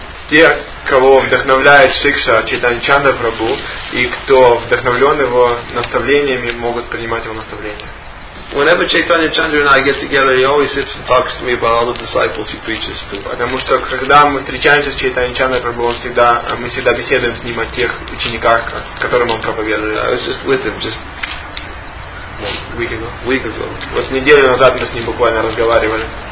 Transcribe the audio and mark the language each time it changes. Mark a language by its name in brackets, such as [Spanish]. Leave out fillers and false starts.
[Russian] Те, кого вдохновляет Шикша Чайтанья Чандра Прабху, и кто вдохновлен его наставлениями, могут принимать его наставления. [English] Whenever Chaitanya Chandra and I get together, he always sits and talks to me about all the disciples he preaches to. [Russian] Потому что когда мы встречаемся с Чайтанья Чандра Прабху, мы всегда беседуем с ним о тех учениках, которым он проповедует. [English] I was just with him just a week ago. [Russian] Вот неделю назад мы с ним буквально разговаривали.